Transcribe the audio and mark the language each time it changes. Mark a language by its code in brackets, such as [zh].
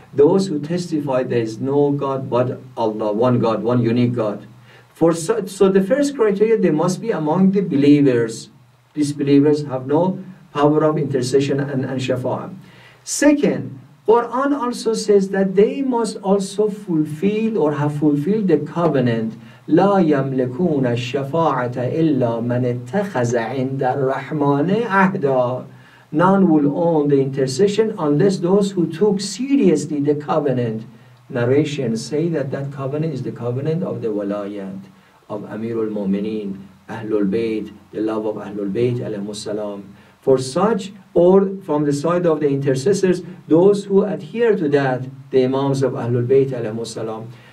[en] Those who testify there is no God but Allah, one God, one unique God. So the first criteria, they must be among the believers. These believers have no power of intercession and shafa'ah. Second, Quran also says that they must also fulfill or have fulfilled the covenant. [ar] لا يملكون الشفاعة إلا من اتخذ عند الرحمن عهدا. [en] None will own the intercession unless those who took seriously the covenant. Narration say that that covenant is the covenant of the walayat of Amirul Mu'mineen, Ahlul Bayt, the love of Ahlul Bayt, alayhi salam. For such, or from the side of the intercessors, those who adhere to that, the Imams of Ahlul Bayt, alayhi salam.